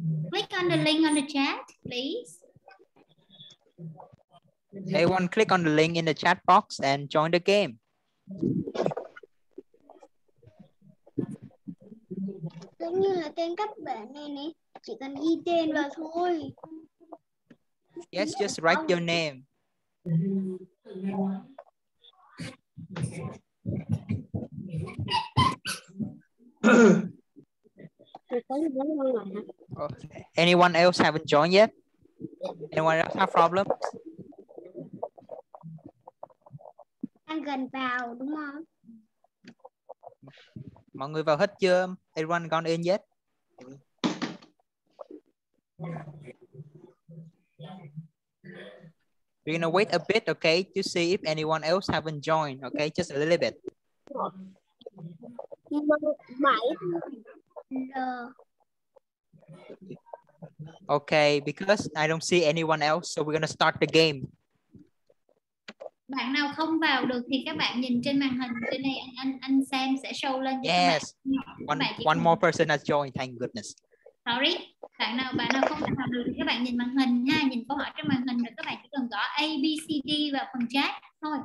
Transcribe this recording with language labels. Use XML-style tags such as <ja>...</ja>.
<en>Click on the link on the chat, please. Everyone click on the link in the chat box and join the game.</en> <vi>Giống như là tên các bạn này nè, chỉ cần ghi tên vào thôi.</vi> <en>Yes, just write your name. Anyone else haven't joined yet? Anyone else have problems?</en> <vi>Đang gần vào đúng không? Mọi người vào hết chưa?</vi> <en>Anyone gone in yet? We're gonna wait a bit, okay, to see if anyone else haven't joined, okay? Just a little bit. Okay, because I don't see anyone else, so we're gonna start the game.</en> <vi>Bạn nào không vào được thì các bạn nhìn trên màn hình trên này, anh Sam sẽ show lên cho</vi> <en>yes.</en> <vi>các bạn.</vi> <en>Yes, one more person has joined, thank goodness.</en> <vi>Sorry, bạn nào không vào được thì các bạn nhìn màn hình nha, nhìn câu hỏi trên màn hình rồi các bạn chỉ cần gõ A, B, C, D vào phần chat thôi.</vi>